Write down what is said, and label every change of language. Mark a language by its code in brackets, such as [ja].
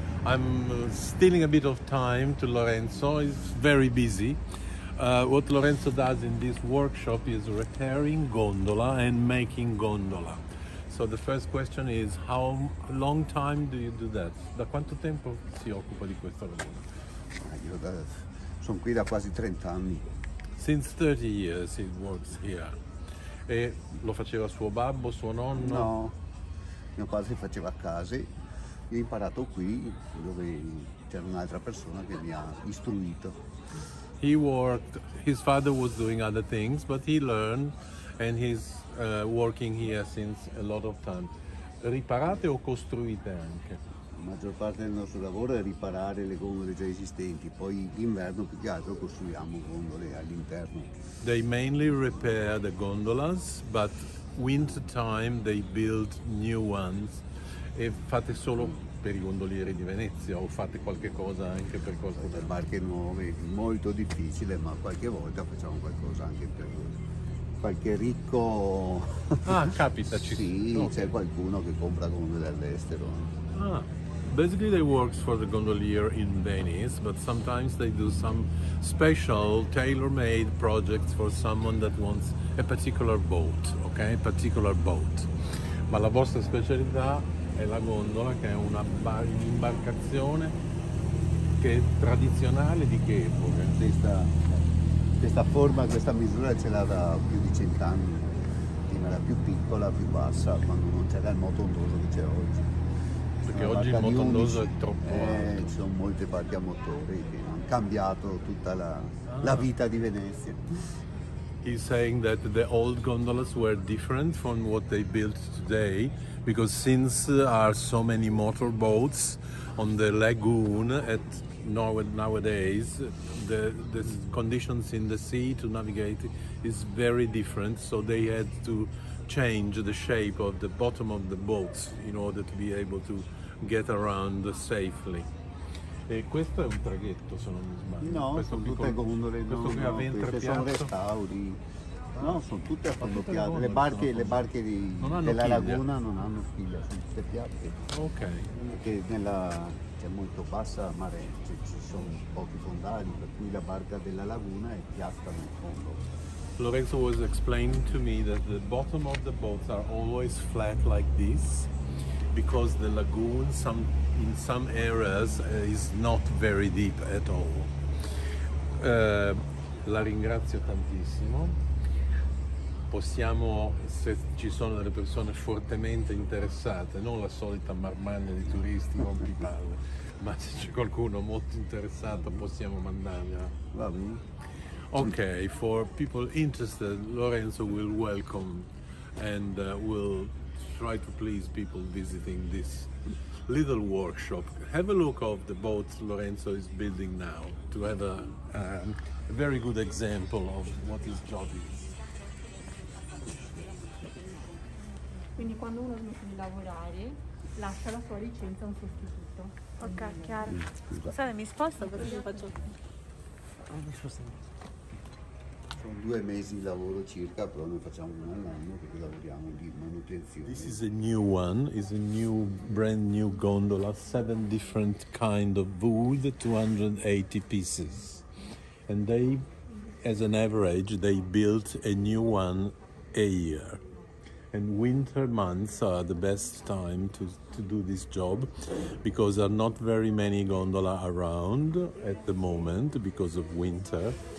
[en] I'm stealing a bit of time to Lorenzo. He's very busy. What Lorenzo does in this workshop is repairing gondola and making gondola. So the first question is, how long time do you do that? [it] Da quanto tempo si occupa di questo lavoro? Io sono qui da quasi 30 anni. [en] Since 30 years he works here. [it] E lo faceva suo babbo, suo nonno? No, mio padre si faceva a casa. Io ho imparato qui, dove c'era un'altra persona che mi ha istruito. [en] He worked, his father was doing other things, but he learned and he's working here since a lot of time. [it] Riparate o costruite anche? La maggior parte del nostro lavoro è riparare le gondole già esistenti, poi d'inverno più che altro costruiamo gondole all'interno. [en] They mainly repair the gondolas, but winter time they build new ones. [it] E fate solo per i gondolieri di Venezia o fate qualche cosa anche per qualcosa? Le barche nuove, molto difficile, ma qualche volta facciamo qualcosa anche per qualche ricco. Ah, capita, ci sì, okay. C'è qualcuno che compra gondole all'estero. Ah. [en] Basically, they work for the gondolier in Venice, but sometimes they do some special tailor-made projects for someone that wants a particular boat, okay? Particular boat. [it] Ma la vostra specialità è la gondola, che è un'imbarcazione che è tradizionale di che epoca? Questa forma, questa misura ce l'ha da più di 100 anni. Prima era più piccola, più bassa, quando non c'era il moto ondoso che c'è oggi. Perché oggi il moto ondoso è troppo alto. Ci sono molte barche a motore che hanno cambiato tutta la vita di Venezia. [en] He's saying that the old gondolas were different from what they built today, because since are so many motor boats on the lagoon at nowadays, the conditions in the sea to navigate is very different, so they had to change the shape of the bottom of the boats in order to be able to get around safely. [it] E questo è un traghetto, se non mi sbaglio? No, questo sono tutte gondole, questo no, qui a ventre piatto. Sono restauri. No, sono tutte a fondo piatto. Le barche, della laguna non hanno figlia, sono tutte piatte. Ok. Che nella c'è molto bassa marea, cioè ci sono pochi fondali, per cui la barca della laguna è piatta nel fondo. [en] Lorenzo was explaining to me that the bottom of the boats are always flat like this because the lagoon in some areas is not very deep at all. [it] La ringrazio tantissimo. Possiamo, se ci sono delle persone fortemente interessate, non la solita marmagna di turisti con pipalle, ma se c'è qualcuno molto interessato possiamo mandargliela. Va bene. [en] Okay, for people interested, Lorenzo will welcome and will try to please people visiting this little workshop. Have a look of the boat Lorenzo is building now to have a very good example of what his job is. [it] Quindi quando uno smette di lavorare, lascia la sua licenza a un sostituto. Ok, chiaro. Scusate, mi sposto così lo faccio. Mi sposto. Sono 2 mesi di lavoro circa, però noi facciamo uno all'anno perché lavoriamo di manutenzione. [en] This is a new one, it's a new, brand new gondola, 7 different kind of wood, 280 pieces. And they, as an average, they built a new one a year. And winter months are the best time to do this job because there are not very many gondola around at the moment because of winter.